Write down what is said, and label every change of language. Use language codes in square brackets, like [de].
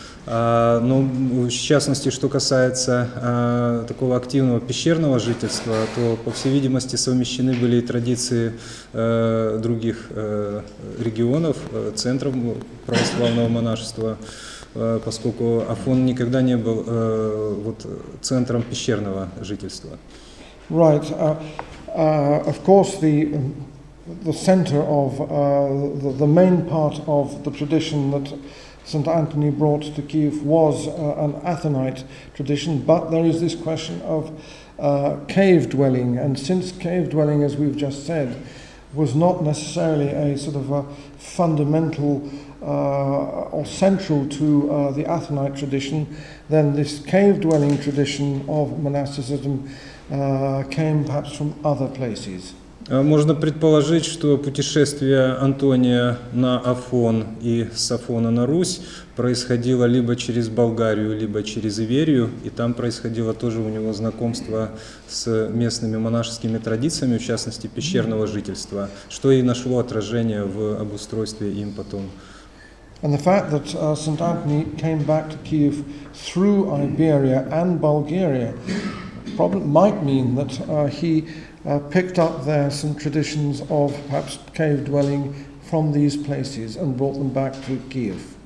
[ru] Ну, в частности, что касается такого активного пещерного жительства, то, по всей видимости, совмещены были и традиции других регионов, центров православного монашества, поскольку Афон никогда не был вот, центром пещерного жительства. [en] Right. Of course, the center of the main part of the tradition that St. Anthony brought to Kiev was an Athonite tradition, but there is this question of cave dwelling, and since cave dwelling, as we've just said, was not necessarily a sort of a fundamental or central to the Athonite tradition, then this cave dwelling tradition of monasticism came perhaps from other places. [ru] Можно предположить, что путешествие Антония на Афон и с Афона на Русь происходило либо через Болгарию, либо через Иверию, и там происходило тоже у него знакомство с местными монашескими традициями, в частности, пещерного жительства, что и нашло отражение в обустройстве им потом. [en] And the fact that St. Anthony came back to Kiev through Iberia and Bulgaria might mean that he picked up there some traditions of perhaps cave dwelling from these places and brought them back to Kiev.